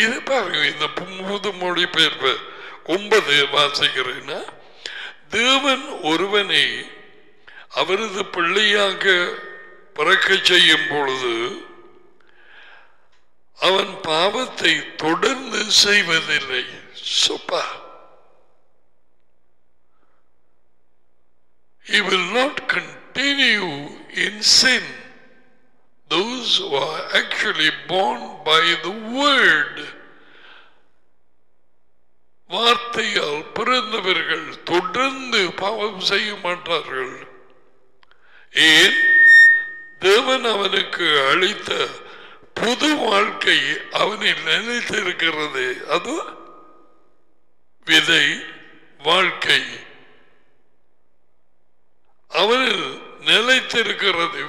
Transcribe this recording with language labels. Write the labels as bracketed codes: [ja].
[ta] பாருங்க, இந்த மூது மொழிபெயர்ப்பு ஒன்பதே வாசிக்கிறேன்னா, தேவன் ஒருவனை அவரது பிள்ளையாக பிறக்க செய்யும் பொழுது அவன் பாவத்தை தொடர்ந்து செய்வதில்லை. [en] சூப்பா, He will not continue in sin. Those who are actually born by the word, [ta] வார்த்தையால் பிறந்தவர்கள் தொடர்ந்து பாவம் செய்ய மாட்டார்கள். ஏன்? தேவன் அவனுக்கு அளித்த புது வாழ்க்கை அவனில் நினைத்திருக்கிறது. அது விதை வாழ்க்கை அவனில் நிலைத்திருக்கிறது.